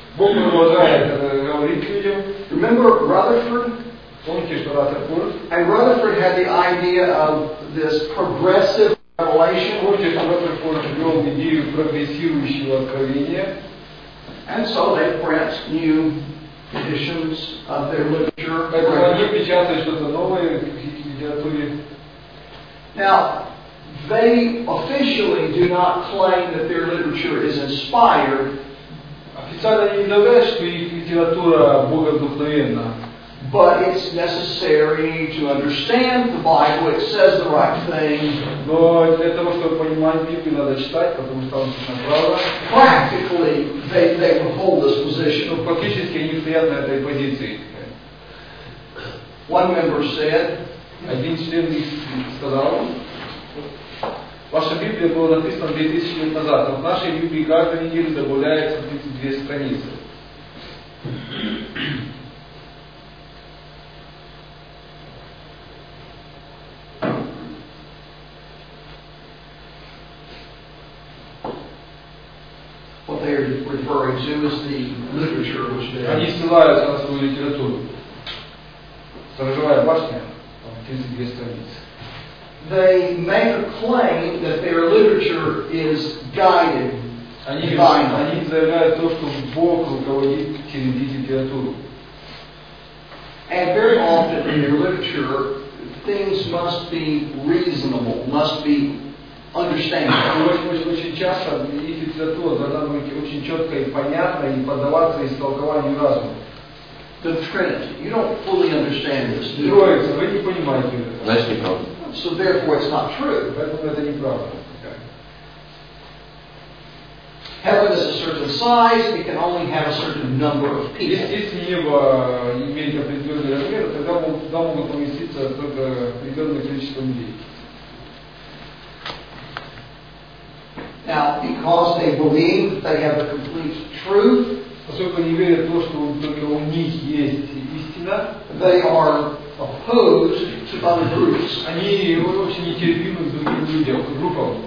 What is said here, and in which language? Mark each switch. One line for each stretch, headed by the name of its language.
Russian: Бог продолжает говорить к людям.
English: Remember Rutherford?
Russian: Помните, что Rutherford?
English: And Rutherford had the idea of this progressive revelation.
Russian: Помните, что Rutherford ввел идею прогрессирующего откровения.
English: And so they print new editions of their literature.
Russian: Поэтому они печатают что-то новое в литературе.
English: Now, they officially do not claim that their literature is inspired.
Russian: Официально не говорят, что их литература богодухновенна.
English: But it's necessary to understand the Bible. It says the right thing.
Russian: Но для того, чтобы понимать Библию, надо читать, потому что там написано правда.
English: Practically, they hold this position.
Russian: Но практически они стоят на этой позиции.
English: One member said.
Russian: Один член сказал. Ваша Библия была написана 2000 лет назад, но в нашей Библии каждую неделю добавляется 32 страницы.
English: What they are referring to is the literature which they have.
Russian: Они ссылаются на свою литературу. Сторожевая башня, 32 страницы.
English: They make a claim that their literature is guided.
Russian: Они заявляют то, что Бог руководит через литературу.
English: And very often in their literature, things must be reasonable, must be understandable.
Russian: Очень часто их литература должна быть очень четко и понятно и поддаваться истолкованию разума.
English: The Trinity. You don't fully understand this.
Russian: Троица. Вы не понимаете. Значит, не правда.
English: So therefore, it's not true.
Russian: Поэтому это не правда.
English: Heaven is a certain size; it can only have a certain number of people.
Russian: Если небо имеет определенный размер, тогда могут поместиться только определенное количество людей.
English: because they believe they have a complete truth.
Russian: Поскольку они верят в то, что только у них есть истина,
English: they are opposed to other groups.
Russian: Они вообще не терпимы к другим людям, к группам.